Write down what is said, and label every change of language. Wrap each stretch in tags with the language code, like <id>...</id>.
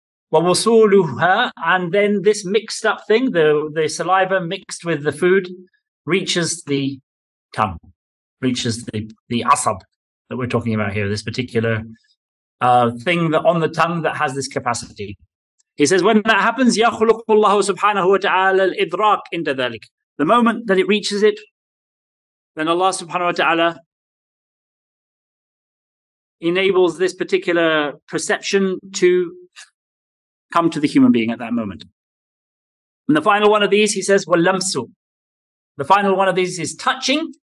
<ar>Wa wusuluha,</ar> <en>and then this mixed up thing, the saliva mixed with the food, reaches the tongue, reaches the asab that we're talking about here, this particular thing that on the tongue that has this capacity. He says, when that happens,</en> <ar>يَخْلُقُ اللَّهُ سُبْحَانَهُ وَتَعَالَى الْإِدْرَاكِ إِنْدَ ذَلِكَ.</ar> <en>The moment that it reaches it, then Allah subhanahu wa ta'ala enables this particular perception to come to the human being at that moment. And the final one of these, he says, وَاللَّمْسُ. The final one of these is touching.</en>